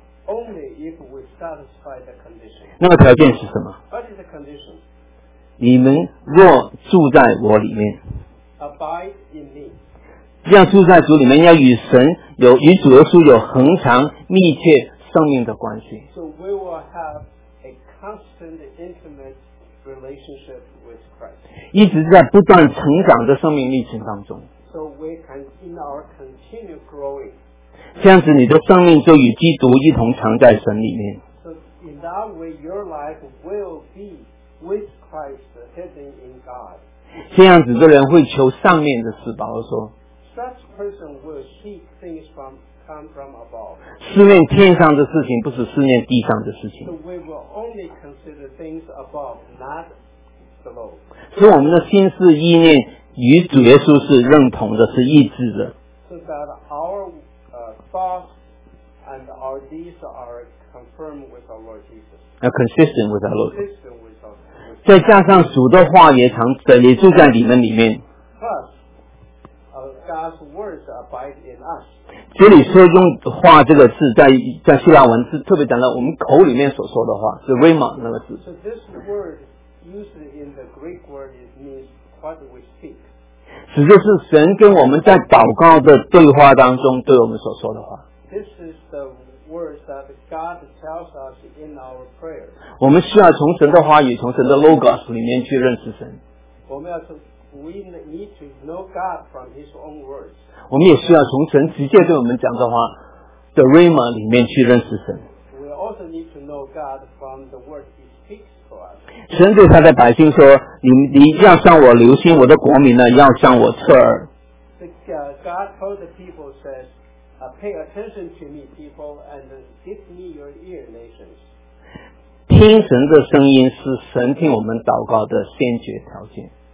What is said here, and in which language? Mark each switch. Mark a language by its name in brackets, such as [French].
[English] Only if we satisfy the condition. [Chinese] 那个条件是什么 [English] ？What is the condition? [Chinese] 你们若住在我里面 [English] Abide in me. [Chinese] 要住在主里面要与神有与主耶稣有恒常密切生命的关系 [English] So we will have a constant intimate relationship with Christ. [Chinese] 一直在不断成长的生命历程当中 [English] So we can in our continue growing. [Chinese] 这样子你的生命就与基督一同藏在神里面 [English] So in that way your life will be withChrist, in God. [Chinese] 这样子的人会求上面的事宝说 [English] Such person will seek things from, come from above. [Chinese] 思念天上的事情不是思念地上的事情 [English] So we will only consider things above, not the Lord. [Chinese] 所以我们的心思意念与主耶稣是认同的，是一致的。 [English] So that our thoughts and our deeds are confirmed with our Lord Jesus. Are consistent with our Lord. Consistent with our Lord. [Chinese] 再加上主的话也常在也住在你们里面。 [English] Plus, God's words abide in us. [Chinese] 这里说用话这个字在希腊文是特别讲到我们口里面所说的话是 rhema 那个字。 [English] So this word used in the Greek word means what we speak. [Chinese] 指的是神跟我们在祷告的对话当中对我们所说的话。 [English] This is the word that God tells us in our prayer. [Chinese] 我们需要从神的话语从神的 logos 里面去认识神。 [English] We need to know God from His own words. [Chinese] 我们也需要从神直接对我们讲的话 the rhema 里面去认识神。 [English] We also need to know God from the word He speaks to us. [Chinese] 神对他的百姓说 你要向我留心我的国民呢要向我侧耳。 [English] God told the people says, pay attention to me people and give me your ear nations. [Chinese] 听神的声音是神听我们祷告的先决条件。